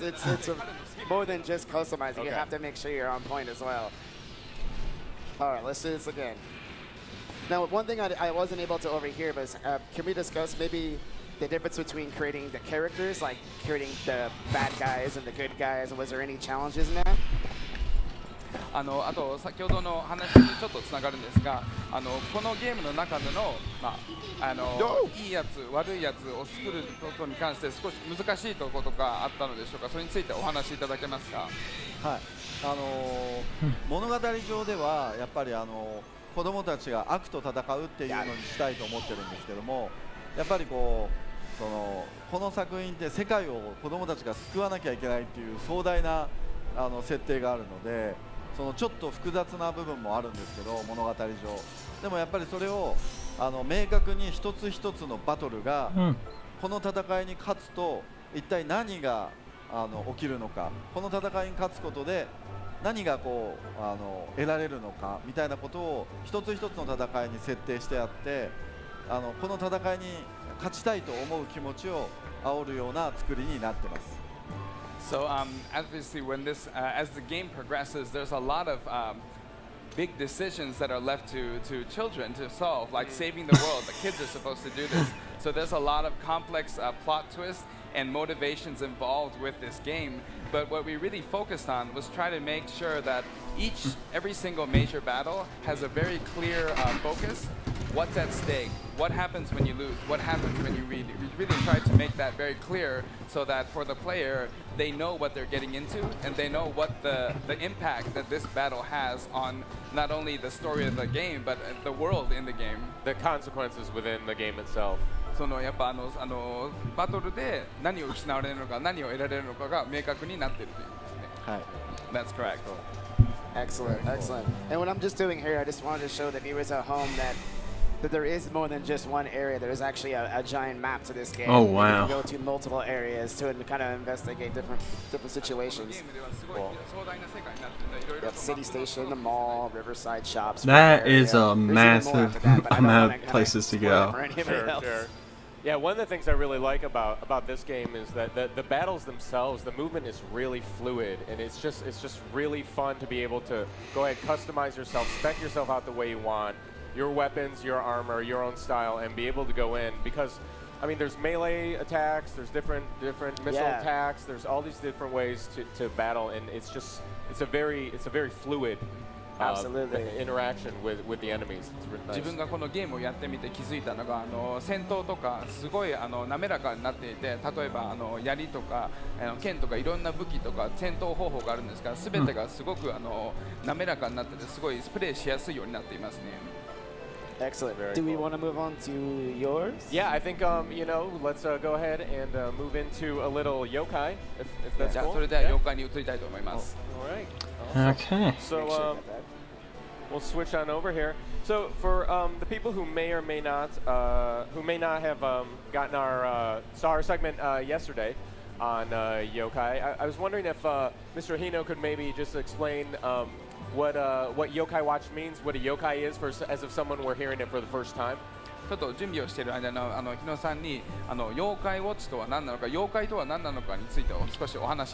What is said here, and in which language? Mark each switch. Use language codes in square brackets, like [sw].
[en] It's more than just customizing.、Okay. You have to make sure you're on point as well. All right, let's do this again. Now, one thing I wasn't able to overhear was, can we discuss maybe the difference between creating the characters, like creating the bad guys and the good guys? Was there any challenges in that? [ja] あの、あと先ほどの話にちょっとつながるんですが、あの、このゲームの中での、まあ、あの、 [en] No! [ja] いいやつ、悪いやつを作ることに関して少し難しいところとかあったのでしょうか？それについてお話しいただけますか？はい。あの、物語上ではやっぱりあの、子供たちが悪と戦うっていうのにしたいと思ってるんですけども、やっぱりこう、その、この作品って世界を子供たちが救わなきゃいけないっていう壮大なあの設定があるので、そのちょっと複雑な部分もあるんですけど、物語上でもやっぱりそれをあの明確に一つ一つのバトルが、この戦いに勝つと一体何があの起きるのか、この戦いに勝つことで何がこうあの得られるのかみたいなことを一つ一つの戦いに設定してあって、あのこの戦いに勝ちたいと思う気持ちを煽るような作りになってます。 [en] So obviously when this as the game progresses, there's a lot of big decisions that are left to children to solve, like saving the world. The kids are supposed to do this. So there's a lot of complex plot twistsand motivations involved with this game, but what we really focused on was trying to make sure that every single major battle has a very clear focus. What's at stake? What happens when you lose? What happens when you win? We really tried to make that very clear so that for the player, they know what they're getting into, and they know what the impact that this battle has on not only the story of the game, but the world in the game. The consequences within the game itself. [ja] そのやっぱあのあのバトルで何を失われるのか何を得られるのかが明確になっているということですね。 [en] That's correct. Excellent, excellent. And what I'm just doing here, I just wanted to show the viewers at home that there is more than just one area. There is actually a giant map to this game. Oh, wow. You can go to multiple areas to kind of investigate different situations. Cool. You have city station, the mall, riverside shops. That is a massive amount of places to go. Sure. Yeah, one of the things I really like about this game is that the battles themselves, the movement is really fluid, and it's just really fun to be able to go ahead, customize yourself, spec yourself out the way you want. Your weapons, your armor, your own style, and be able to go in. Because, I mean, there's melee attacks, there's different missile、 yeah. attacks, there's all these different ways to battle, and it's just, it's a very fluid、 Absolutely. Interaction with the enemies. It's really nice. [ja] 自分がこのゲームをやってみて気づいたのが、あの戦闘とかすごいあの滑らかになっていて、例えばあの槍とかあの剣とかいろんな武器とか戦闘方法があるんですが、すべてがすごくあの滑らかになっていて、すごいプレイしやすいようになっていますね。 [en] Excellent. Very Do we、cool. want to move on to yours? Yeah, I think, you know, let's go ahead and move into a little yokai, if that's yeah. [ja] じゃあそれでは妖怪に移りたいと思います。 [en] All right. Okay. So, we'll switch on over here. So for the people who may or may not gotten our star segment yesterday on Yokai, I was wondering if Mr. Hino could maybe just explain what Yokai Watch means, what a Yokai is, for as if someone were hearing it for the first time. [ja] ちょっと準備をしている間の、 あの日野さんに、あの妖怪ウォッチとは何なのか、妖怪とは何なのかについてを少しお話しいただきます。